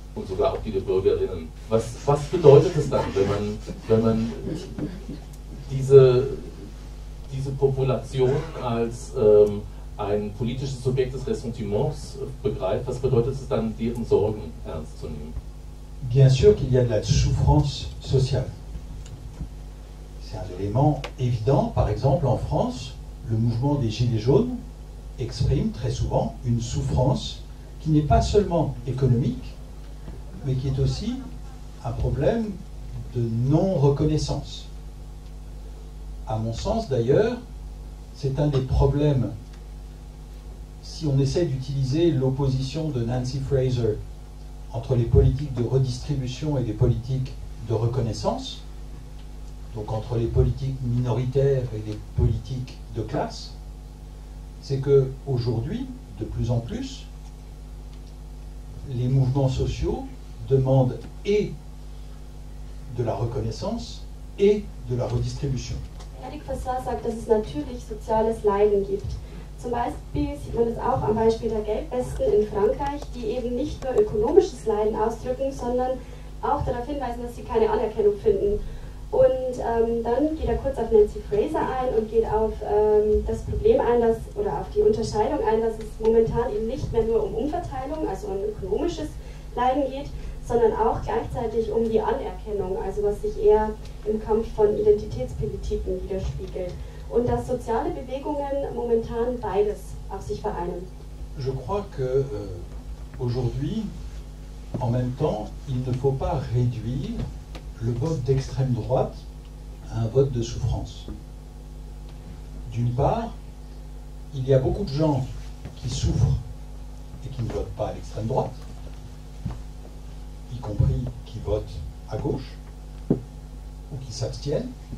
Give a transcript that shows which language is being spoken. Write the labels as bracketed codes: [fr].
[de] Und sogar auch die der Bürgerinnen. Was bedeutet es dann, wenn man diese Population als ein politisches Subjekt des Ressentiments begreift, was bedeutet es dann, deren Sorgen ernst zu nehmen? [fr] Bien sûr qu'il y a de la souffrance sociale. C'est un élément évident. Par exemple, en France, le mouvement des Gilets jaunes exprime très souvent une souffrance qui n'est pas seulement économique, mais qui est aussi un problème de non-reconnaissance. À mon sens, d'ailleurs, c'est un des problèmes, si on essaie d'utiliser l'opposition de Nancy Fraser entre les politiques de redistribution et les politiques de reconnaissance, donc entre les politiques minoritaires et les politiques de classe, c'est que aujourd'hui, de plus en plus, les mouvements sociaux demandent et de la reconnaissance et de la redistribution. [de] Eric Fassin sagt, dass es natürlich soziales Leiden gibt. Zum Beispiel sieht man es auch am Beispiel der Gelbwesten in Frankreich, die eben nicht nur ökonomisches Leiden ausdrücken, sondern auch darauf hinweisen, dass sie keine Anerkennung finden. Und dann geht er kurz auf Nancy Fraser ein und geht auf das Problem ein, dass, oder auf die Unterscheidung ein, dass es momentan eben nicht mehr nur um Umverteilung, also um ökonomisches Leiden geht, sondern auch gleichzeitig um die Anerkennung, also was sich eher im Kampf von Identitätspolitiken widerspiegelt. Und dass soziale Bewegungen momentan beides auf sich vereinen. [fr] Je crois que aujourd'hui, en même temps, il ne faut pas réduire le vote d'extrême droite à un vote de souffrance. D'une part, il y a beaucoup de gens qui souffrent et qui ne votent pas à l'extrême droite, y compris qui votent à gauche ou qui s'abstiennent.